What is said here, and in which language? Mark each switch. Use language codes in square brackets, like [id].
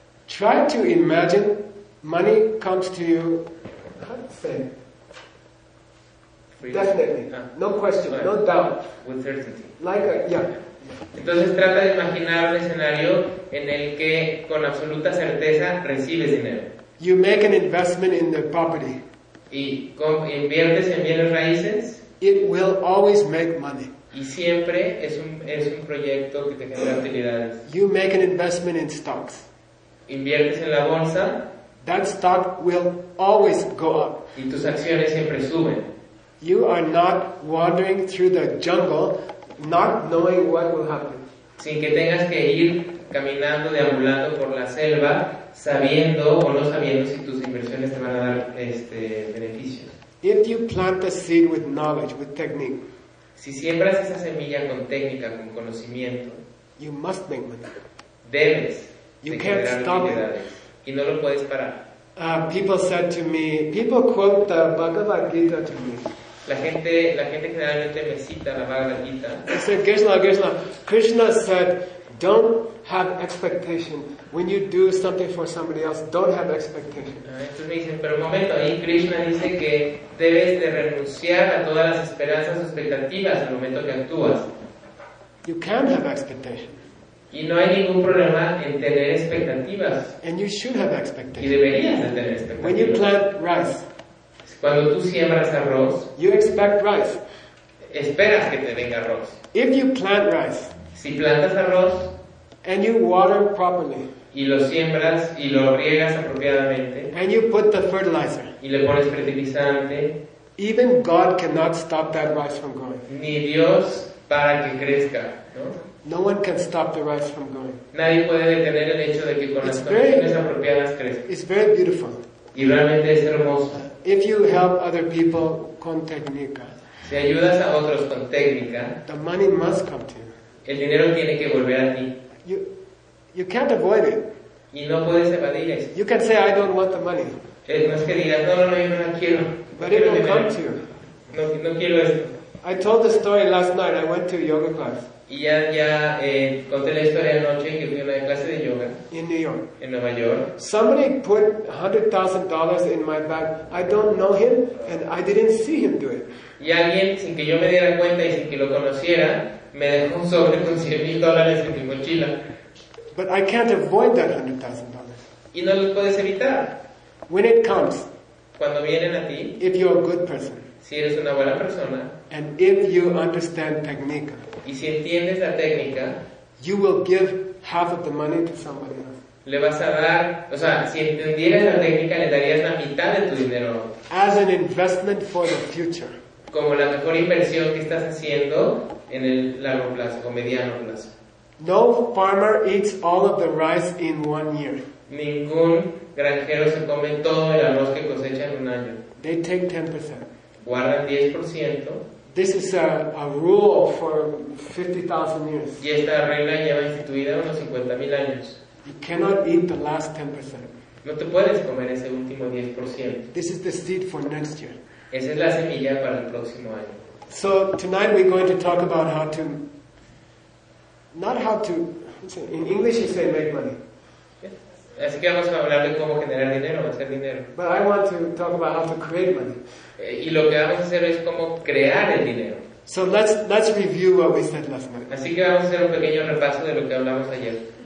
[en] try to imagine money comes to you, how to say, definitely, no question, no doubt, with certainty. Like a, yeah. [es] Entonces trata de imaginar un escenario en el que con absoluta certeza recibes dinero. [en] You make an investment in the property. [es] Y inviertes en bienes raíces. [en] It will always make money. [es] Y siempre es un proyecto que te genera utilidades. [en] You make an investment in stocks. [es] Inviertes en la bolsa. [en] That stock will always go up. [es] Y tus acciones siempre suben. [en] You are not wandering through the jungle not knowing what will happen. [es] Sin que tengas que ir caminando, deambulando por la selva, sabiendo o no sabiendo si tus inversiones te van a dar beneficios. [en] If you plant a seed with knowledge, with technique, [es] si siembras esa semilla con técnica, con conocimiento, [en] you must make money. [es] Debes. [en] You can't stop it. [es] Y no lo puedes parar. [en] People said to me, people quote the Bhagavad Gita to me. [es] La gente generalmente me cita la Bhagavad Gita. [en] They said, Geshe-la, Krishna said, don't have expectation. When you do something for somebody else, don't have expectation. [es] Entonces me dicen, pero un momento, ahí Krishna dice que debes de renunciar a todas las esperanzas o expectativas al momento que actúas. [en] You can have expectation. [es] Y no hay ningún problema en tener expectativas. [en] And you should have expectation. [es] Y deberías de tener expectativas. [en] When you plant rice, [es] cuando tú siembras arroz, [en] you expect rice. [es] Esperas que te venga arroz. [en] If you plant rice, [es] si plantas arroz, [en] and you water properly, [es] y lo siembras y lo riegas apropiadamente, [en] and you put the fertilizer, [es] y le pones fertilizante, [en] even God cannot stop that rice from growing. [es] Ni Dios para que crezca, ¿no? [en] No one can stop the rice from growing. [es] Nadie puede detener el hecho de que con las condiciones apropiadas crezca. [en] It's very beautiful. [es] Y realmente es hermoso. [en] If you help other people [es] con técnica, si ayudas a otros con técnica, [en] the money must come to you. [es] El dinero tiene que volver a ti. [en] You can't avoid it. [es] Y no puedes evadir eso. [en] You can say I don't want the money. [es] No es que digas no, yo no la quiero. [en] But it will come to you. [es] No quiero esto. [en] I told the story last night. I went to yoga class. [es] Y ya conté la historia anoche que fui a una clase de yoga. [en] In New York. [es] En Nueva York. [en] Somebody put $100,000 in my bag. I don't know him and I didn't see him do it. [es] Y alguien, sin que yo me diera cuenta y sin que lo conociera, me dejó un sobre con $100,000 en mi mochila. [en] But I can't avoid that $100,000. [es] Y no lo puedes evitar. [en] When it comes. [es] Cuando vienen a ti. [en] If you're a good person. [es] Si eres una buena persona. [en] And if you understand technique. [es] Y si entiendes la técnica, [en] you will give half of the money to somebody else. [es] Le vas a dar, o sea, si entendieras la técnica, le darías la mitad de tu dinero. [en] As an investment for the future. [es] Como la mejor inversión que estás haciendo en el largo plazo o mediano plazo. [en] No farmer eats all of the rice in one year. [es] Ningún granjero se come todo el arroz que cosecha en un año. [en] They take 10%. [es] Guardan 10%. [en] This is a rule for 50,000 years. [es] Y esta regla ya va instituida unos 50,000 años. [en] You cannot eat the last 10%. [es] No te puedes comer ese último 10%. [en] This is the seed for next year. [es] Esa es la semilla para el próximo año. [en] So tonight we're going to talk about how to, not how to, in English you say make money. [es] Así que vamos a hablar de cómo generar dinero, hacer dinero. [en] But I want to talk about how to create money. [es] Y lo que vamos a hacer es cómo crear el dinero. [en] So let's review what we said last night. [es] Así que vamos a hacer un pequeño repaso de lo que hablamos ayer.